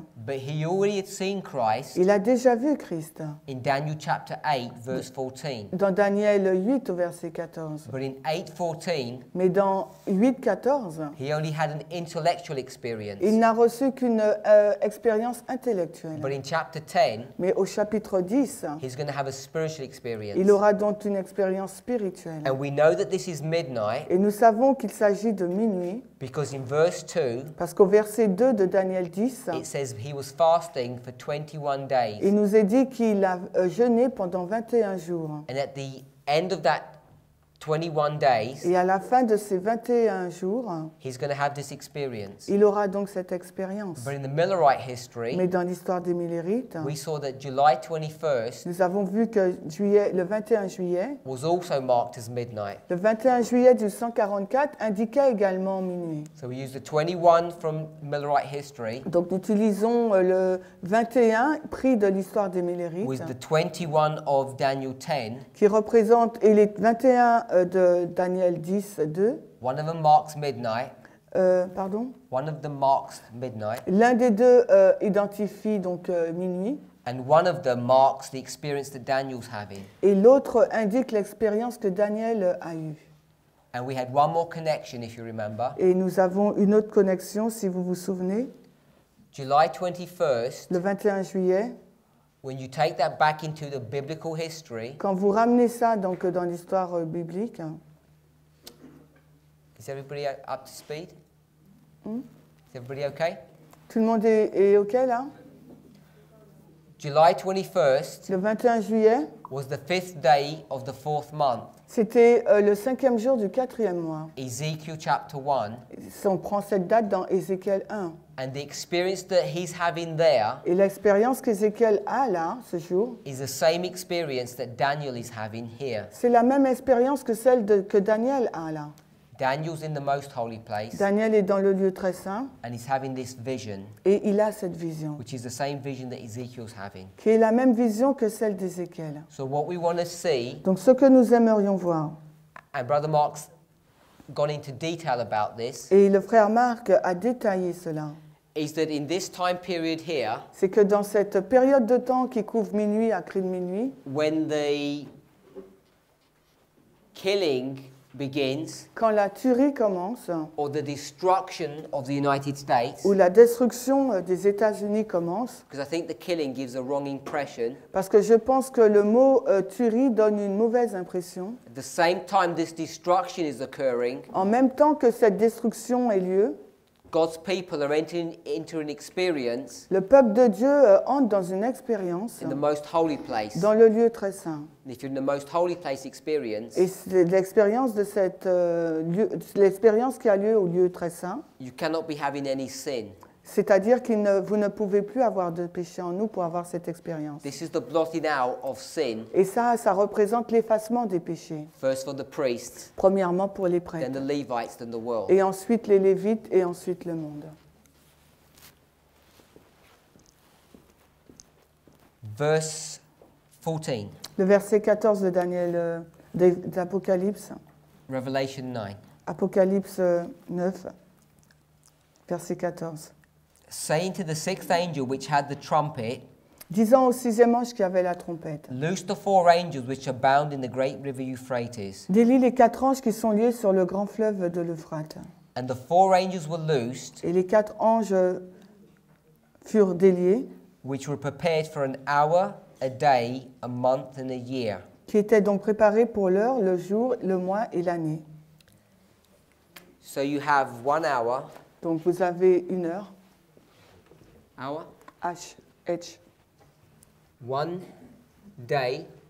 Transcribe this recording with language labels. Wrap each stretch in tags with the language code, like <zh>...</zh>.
<en>But he already had seen Christ.</en> <fr>Il a déjà vu Christ.</fr> <en>In Daniel chapter 8, verse 14.</en> <fr>Dans Daniel 8, verset 14.</fr> <en>But in 8:14.</en> <fr>Mais dans 8:14.</fr> <en>He only had an intellectual experience.</en> <fr>Il n'a reçu qu'une expérience intellectuelle.</fr> <en>But in chapter 10.</en> <fr>Mais au chapitre 10.</fr> <en>He's going to have a spiritual experience.</en> <fr>Il aura donc une expérience.</fr> <en>And we know that this is midnight.</en> <fr>Et nous savons qu'il s'agit de minuit.</fr> <en>Because in verse 2.</en> <fr>Parce qu'au verset 2 de Daniel 10.</fr> <en>It says he was fasting for 21 days.</en> <fr>Il nous est dit qu'il a jeûné pendant 21 jours.</fr> <en>And at the end of that 21 days.</en> <fr>Et à la fin de ces 21 jours.</fr> <en>He's going to have this experience.</en> <fr>Il aura donc cette expérience.</fr> <en>But in the Millerite history.</en> <fr>Mais dans l'histoire des Millerites.</fr> <en>We saw that July 21st.</en> <fr>Nous avons vu que juillet, le 21 juillet.</fr> <en>Was also marked as midnight.</en> <fr>Le 21 juillet du 144 indiquait également minuit.</fr> <en>So we use the 21 from Millerite history.</en> <fr>Donc nous utilisons le 21 pris de l'histoire des Millerites.</fr> <en>With the 21 of Daniel 10.</en> <fr>Qui représente et les 21 de Daniel 10, 2.</fr> <en>One of them marks midnight.</en> <fr>Pardon?</fr> <en>One of them marks midnight.</en> <fr>L'un des deux identifie donc minuit.</fr> <en>And one of them marks the experience that Daniel's having.</en> <fr>Et l'autre indique l'expérience que Daniel a eue.</fr> <en>And we had one more connection, if you remember.</en> <fr>Et nous avons une autre connexion, si vous vous souvenez.</fr> <en>July 21st.</en> <fr>Le 21 juillet.</fr> <en>When you take that back into the biblical history,</en> <fr>quand vous ramenez ça donc dans l'histoire biblique,</fr> <en>is everybody up to speed? Is everybody okay?</en> <fr>Tout le monde est okay là?</fr> <en>July 21st,</en> <fr>le 21 juillet,</fr> <en>was the fifth day of the fourth month.</en> <fr>C'était le cinquième jour du quatrième mois.</fr> <en>Ezekiel chapter 1.</en> <fr>Si on prend cette date dans Ézéchiel 1.</fr> <en>And the experience that he's having there.</en> <fr>Et l'expérience qu'Ézéchiel a là, ce jour.</fr> <en>Is the same experience that Daniel is having here.</en> <fr>C'est la même expérience que celle que Daniel a là.</fr> <en>Daniel's in the most holy place.</en> <fr>Daniel est dans le lieu très saint.</fr> <en>And he's having this vision.</en> <fr>Et il a cette vision.</fr> <en>Which is the same vision that Ezekiel's having.</en> <fr>Qui est la même vision que celle d'Ézéchiel.</fr> <en>So what we want to see.</en> <fr>Donc ce que nous aimerions voir.</fr> <en>And Brother Mark's gone into detail about this.</en> <fr>Et le frère Marc a détaillé cela.</fr> <en>Is that in this time period here.</en> <fr>C'est que dans cette période de temps qui couvre minuit à cri de minuit.</fr> <en>When the killing begins,</en> <fr>quand la tuerie commence,</fr> <en>or the destruction of the United States,</en> <fr>ou la destruction des États-Unis commence,</fr> <en>because I think the killing gives a wrong impression,</en> <fr>parce que je pense que le mot tuerie donne une mauvaise impression.</fr> <en>At the same time this destruction is occurring,</en> <fr>en même temps que cette destruction a lieu,</fr> <en>God's people are entering into an experience,</en> <fr>le peuple de Dieu entre dans une expérience,</fr> <en>in the most holy place,</en> <fr>dans le lieu très saint.</fr> <en>If you're in the most holy place experience,</en> <fr>et c'est l'expérience de cette l'expérience qui a lieu au lieu très saint.</fr> <en>You cannot be having any sin.</en> <fr>C'est-à-dire que vous ne pouvez plus avoir de péché en nous pour avoir cette expérience.</fr> <en>This is the blotting out of sin.</en> <fr>Et ça représente l'effacement des péchés.</fr> <en>First for the priests.</en> <fr>Premièrement pour les prêtres.</fr> <en>Then the Levites, then the world.</en> <fr>Et ensuite les Lévites et ensuite le monde.</fr> <en>Verse 14.</en> <fr>Le verset 14 de Daniel, d'Apocalypse.</fr> <en>Revelation 9.</en> <fr>Apocalypse 9, verset 14.</fr> <en>Saying to the sixth angel which had the trumpet.</en> <fr>Disant au sixième ange qui avait la trompette.</fr> <en>Loose the four angels which are bound in the great river Euphrates.</en> <fr>Délie les quatre anges qui sont liés sur le grand fleuve de l'Euphrate.</fr> <en>And the four angels were loosed.</en> <fr>Et les quatre anges furent déliés.</fr> <en>Which were prepared for an hour. A day, a month, and a year.</en> <fr>Qui était donc préparé pour l'heure, le jour, le mois et l'année.</fr> <en>So you have 1 hour.</en> <fr>Donc vous avez une heure.</fr> <en>Hour. H. H. One day.</en>